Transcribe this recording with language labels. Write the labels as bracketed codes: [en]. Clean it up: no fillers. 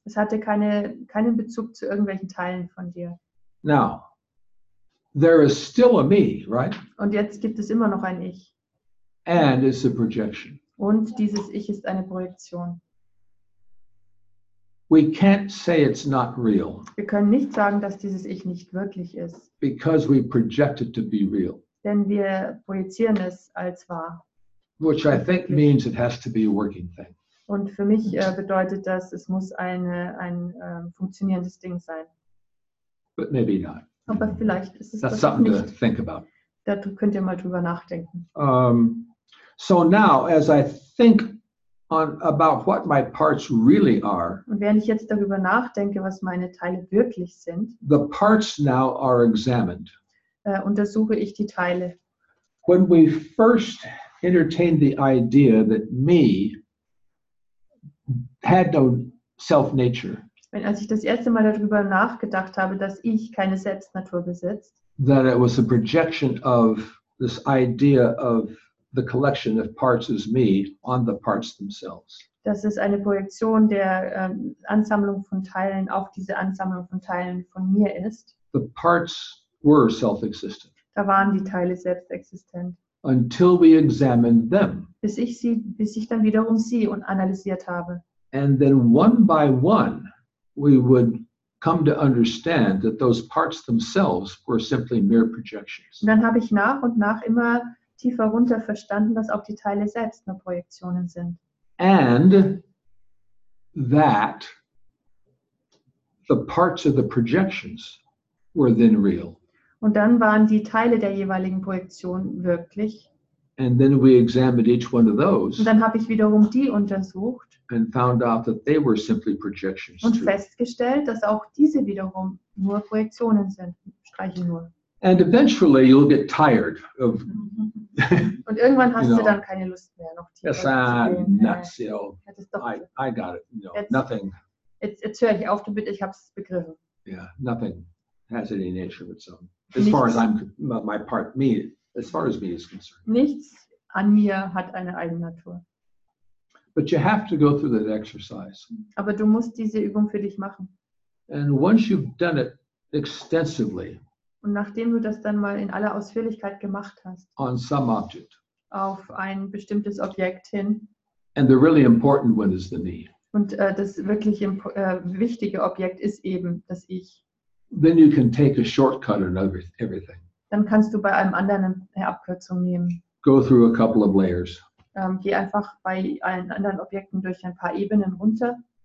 [de] Es hatte keinen Bezug zu irgendwelchen Teilen von dir. [en] Now, there is still a me, right? [de] Und jetzt gibt es immer noch ein Ich. [en] And it's a projection. [de] Und dieses Ich ist eine Projektion. [en] We can't say it's not real. [de] Wir können nicht sagen, dass dieses Ich nicht wirklich ist. [en] Because we project it to be real. [de] Denn wir projizieren es als wahr. [en] Which I think means it has to be a working thing. [de] Und für mich bedeutet das, es muss ein funktionierendes Ding sein. [en] But maybe not. [de] Aber vielleicht ist es das doch [en] something [de] nicht. [en] To think about. [de] Da könnt ihr mal drüber nachdenken. [en] So now, as I think on about what my parts really are. [de] Und während ich jetzt darüber nachdenke, was meine Teile wirklich sind. [en] The parts now are examined. [de] Untersuche ich die Teile. [en] When we first entertained the idea that me had no self-nature. [de] Wenn, als ich das erste Mal darüber nachgedacht habe, dass ich keine Selbstnatur besitzt. [en] That it was a projection of this idea of the collection of parts as me on the parts themselves. [de] Das ist eine Projektion der Ansammlung von Teilen auf diese Ansammlung von Teilen von mir ist. [en] The parts were self-existent. [de] Da waren die Teile selbstexistent. [en] Until we examined them. [de] Bis ich dann wiederum sie und analysiert habe. [en] And then one by one, we would come to understand that those parts themselves were simply mere projections. [de] Und dann habe ich nach und nach immer tiefer runter verstanden, dass auch die Teile selbst nur Projektionen sind. [en] And that the parts of the projections were then real. [de] Und dann waren die Teile der jeweiligen Projektion wirklich. [en] And then we examined each one of those. [de] Und dann habe ich wiederum die untersucht. [en] And found out that they were simply projections. [de] Und festgestellt, dass auch diese wiederum nur Projektionen sind. Streiche nur. [en] And eventually you'll get tired of. [de] Und irgendwann hast du dann keine Lust mehr noch. [en] Yes, I'm nuts, you know. I got it. No, jetzt, nothing. [de] Jetzt höre ich auf damit, ich habe es begriffen. [en] Yeah, nothing has any nature of its own. As far as I'm, my part, me, as far as me is concerned. [de] Nichts an mir hat eine eigene Natur. [en] But you have to go through that exercise. [de] Aber du musst diese Übung für dich machen. [en] And once you've done it extensively. [de] Und nachdem du das dann mal in aller Ausführlichkeit gemacht hast, [en] on some object, [de] auf ein bestimmtes Objekt hin, [en] and the really important one is the me, [de] und das wirklich wichtige Objekt ist eben das Ich, [en] then you can take a shortcut on everything. [de] Dann kannst du bei einem anderen eine Abkürzung nehmen. [en] Go through a couple of layers. [de] Geh einfach bei allen anderen Objekten durch ein paar Ebenen runter.